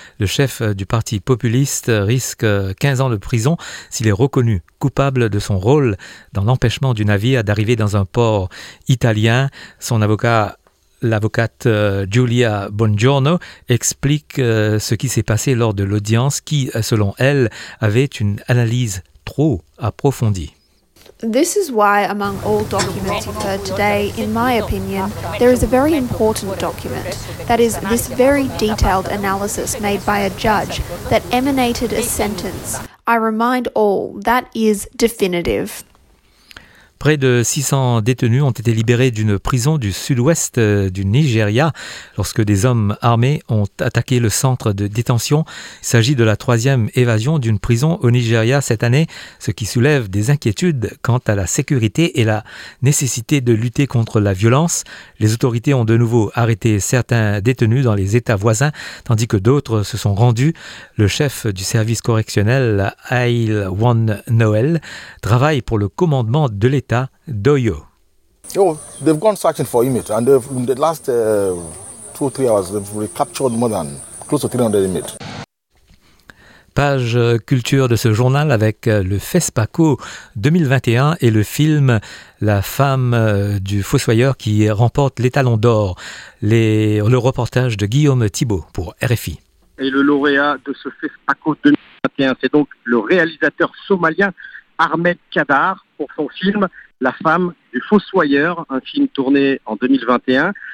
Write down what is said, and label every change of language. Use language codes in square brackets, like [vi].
[fr] Le chef du parti populiste risque 15 ans de prison s'il est reconnu coupable de son rôle dans l'empêchement du navire d'arriver dans un port italien. Son avocat, l'avocate Giulia Bongiorno, explique ce qui s'est passé lors de l'audience qui, selon elle, avait une analyse trop approfondie. [en] This is why among all documents you've heard today, in my opinion, there is a very important document. That is this very detailed analysis made by a judge that emanated a sentence. I remind all, that is definitive. [fr] Près de 600 détenus ont été libérés d'une prison du sud-ouest du Nigeria lorsque des hommes armés ont attaqué le centre de détention. Il s'agit de la troisième évasion d'une prison au Nigeria cette année, ce qui soulève des inquiétudes quant à la sécurité et la nécessité de lutter contre la violence. Les autorités ont de nouveau arrêté certains détenus dans les États voisins, tandis que d'autres se sont rendus. Le chef du service correctionnel, Aylwan Noel, travaille pour le commandement de l'État d'Oyo. [en] Oh, they've gone searching for inmates, and in the last 2 or 3 hours, they've recaptured more than close to 300 inmates. [fr] Page culture de ce journal avec le FESPACO 2021 et le film La femme du fossoyeur qui remporte l'étalon d'or. Le reportage de Guillaume Thibault pour RFI. Et le lauréat de ce FESPACO 2021, c'est donc le réalisateur somalien Ahmed Kadar pour son film La femme du fossoyeur, un film tourné en 2021.